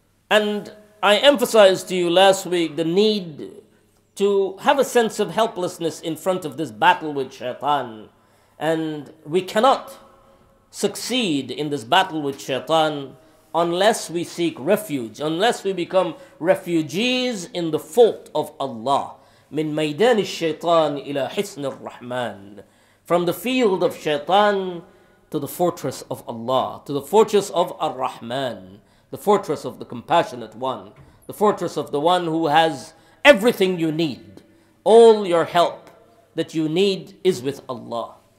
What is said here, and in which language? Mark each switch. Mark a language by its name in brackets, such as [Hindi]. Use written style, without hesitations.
[English] And I emphasized to you last week the need to have a sense of helplessness in front of this battle with shaitan. And we cannot succeed in this battle with shaitan unless we seek refuge, unless we become refugees in the fold of Allah, [Arabic] من ميدان الشيطان إلى حصن الرحمن. [English] From the field of Shaitan to the fortress of Allah, to the fortress of Ar-Rahman, the fortress of the compassionate one, the fortress of the one who has everything you need. All your help that you need is with Allah.